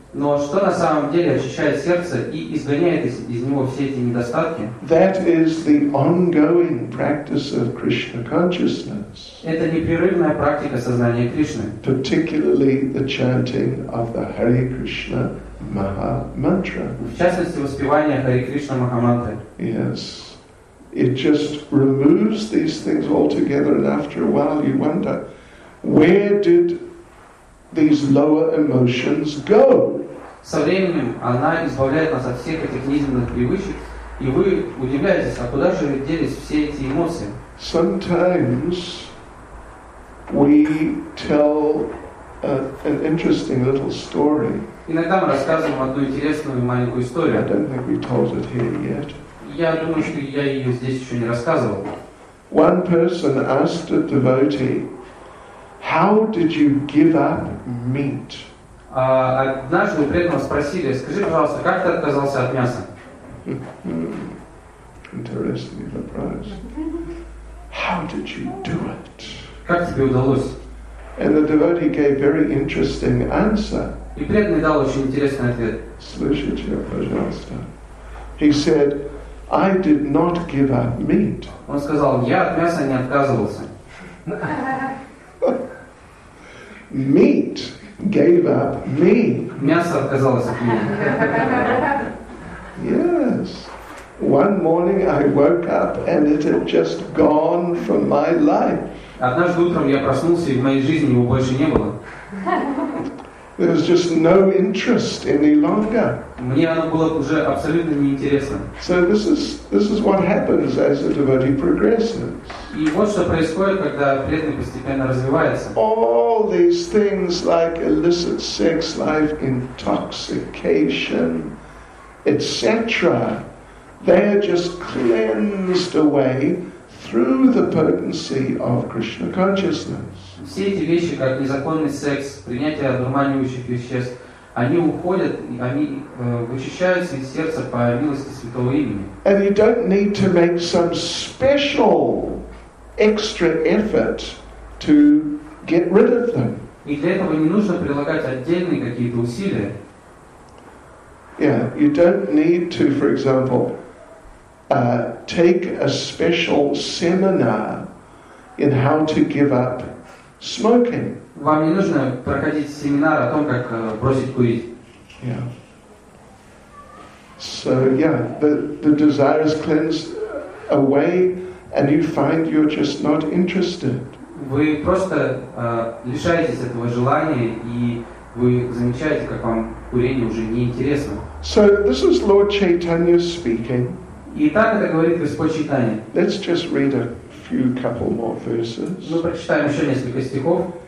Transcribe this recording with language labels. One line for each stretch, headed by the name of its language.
Russian: Но что на самом деле очищает сердце и изгоняет из него все эти недостатки?
English: That is the ongoing practice of Krishna consciousness.
Russian: Это непрерывная практика сознания Кришны.
English: Particularly the chanting of the Hare Krishna Maha Mantra.
Russian: В частности, воспевание Hare Krishna Maha Mantra.
English: Yes. It just removes these things altogether, and after a while you wonder, where did these lower emotions go?
Russian: Со временем она избавляет нас от всех этих низменных привычек, и вы удивляетесь, а куда же делись все эти эмоции?
English: Sometimes we tell an interesting little story.
Russian: Иногда мы рассказываем одну интересную маленькую историю.
English: I don't think we told it here yet.
Russian: Я думаю, что я ее здесь еще не рассказывал.
English: One person asked a devotee, how did you give up meat?
Russian: Однажды у преданного спросили, скажи, пожалуйста, как ты отказался от мяса?
English: Interesting вопрос. How did you do it?
Russian: Как тебе удалось?
English: And the devotee gave very interesting answer.
Russian: И преданный дал очень интересный ответ. Слушайте, пожалуйста.
English: He said, I did not give up meat.
Russian: Он сказал, я от мяса не отказывался.
English: Meat gave up me.
Russian: Мясо отказалось от меня.
English: Yes. One morning I woke up and it had just gone from my life.
Russian: Однажды утром я проснулся, и в моей жизни его больше не было.
English: There was just no interest any longer.
Russian: Мне оно было уже абсолютно неинтересно.
English: So this is what happens as a devotee progresses.
Russian: И вот что происходит, когда преданный постепенно развивается.
English: All these things like illicit sex life, intoxication, etc., they are just cleansed away through the potency of Krishna consciousness.
Russian: Все эти вещи, как незаконный секс, принятие одурманивающих веществ, они уходят, они вычищаются из сердца по милости Святого Имени.
English: And you don't need to make some special extra effort to get rid of them.
Russian: И для этого не нужно прилагать отдельные какие-то усилия.
English: Yeah, you don't need to, for example, take a special seminar in how to give up smoking.
Russian: Вам не нужно проходить семинар о том, как бросить курить.
English: So the desire is cleansed away, and you find you're just not interested.
Russian: Вы просто лишаетесь этого желания, и вы замечаете, как вам курение уже не интересно.
English: So this is Lord Chaitanya speaking.
Russian: И так это говорит Господь Чайтанья.
English: Let's just read a few couple more verses.
Russian: Мы прочитаем еще несколько стихов.